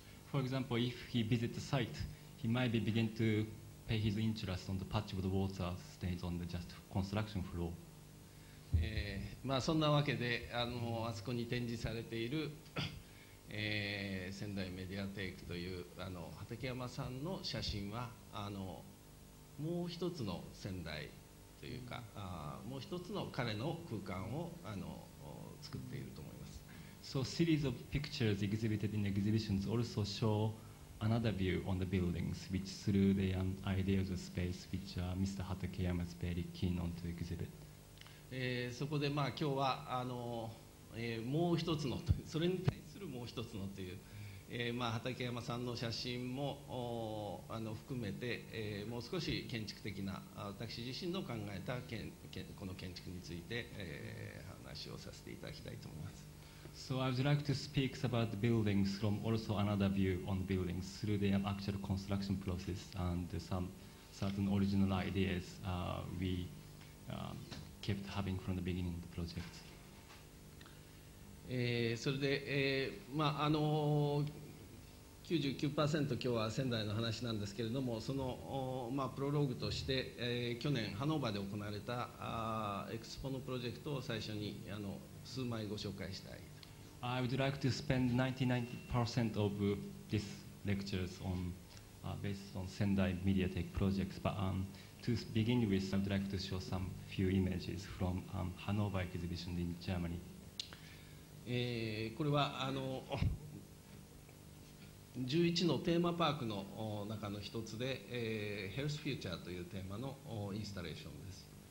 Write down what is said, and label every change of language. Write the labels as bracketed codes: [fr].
[en] For example, if he visits the site, he might be begin to pay his interest on the patch of the water stains on the just construction floor. [ja] まあ、そんなわけで あそこに展示されている、仙台メディアテイクという畠山さんの写真はもう一つの仙台というか、もう一つの彼の空間を作っていると思います。 [en] So series of pictures exhibited in exhibitions also show another view on the buildings which through the ideas of space which Mr. 畠山 is very keen on to exhibit. [ja] そこでまあ今日はもう一つのそれに対するもう一つのという、まあ畠山さんの写真も含めて、もう少し建築的な私自身の考えたこの建築について、話をさせていただきたいと思います。 [en] So I would like to speak about the buildings from also another view on buildings through the actual construction process and some certain original ideas we kept having from the beginning of the project. [ja] それで、まあ、99% 今日は仙台の話なんですけれども、その、まあ、プロローグとして、去年ハノーバーで行われたエクスポのプロジェクトを最初に数枚ご紹介したい。 [en] I would like to spend 99% of this lectures on based on Sendai MediaTek projects, but to begin with, I would like to show some few images from Hanover exhibition in Germany. [ja] これは11のテーマパークの中の一つで、Health Future というテーマのインスタレーションです。